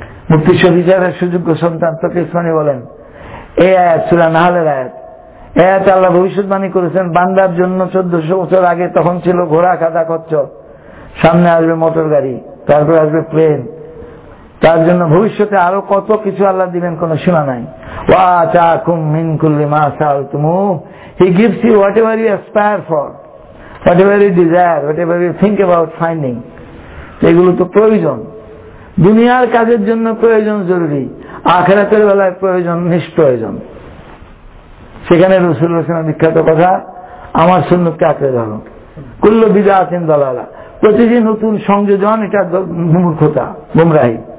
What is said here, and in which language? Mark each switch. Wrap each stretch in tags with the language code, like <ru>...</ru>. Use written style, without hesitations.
<bn>মুফতি শফি সাহেবের সুযোগ্য সন্তান তাকে শুনে বলেন এই আয়াত সূরা নাহলের আয়াত, এই আয়াত আল্লাহ ভবিষ্যৎবাণী করেছেন বান্দার জন্য 1400 বছর আগে, তখন ছিল ঘোড়া খাদা খচ্চর, সামনে আসবে মোটর গাড়ি, তারপরে আসবে প্লেন, তার জন্য ভবিষ্যতে আরো কত কিছু আল্লাহ দিবেন কোনো সীমা নাই।</bn> <ar>ওয়া তাকুম মিন কুল্লি মা সালতুমু,</ar> <en>He gives you whatever you aspire for, whatever you desire, whatever you think about finding.</en> <bn>এগুলো তো প্রয়োজন, দুনিয়ার কাজের জন্য প্রয়োজন জরুরি, আখেরাতের বেলায় প্রয়োজন নিষ্প্রয়োজন। সেখানে রাসূলুল্লাহ সাল্লাল্লাহু আলাইহি ওয়াসাল্লাম বিখ্যাত কথা, আমার সুন্নতকে আঁকড়ে ধরো,</bn> <ar>কুল্লু বিদআতিন দালালা,</ar> <bn>প্রতিটি নতুন সংযোজন এটা মূর্খতা, গোমরাহি।</bn>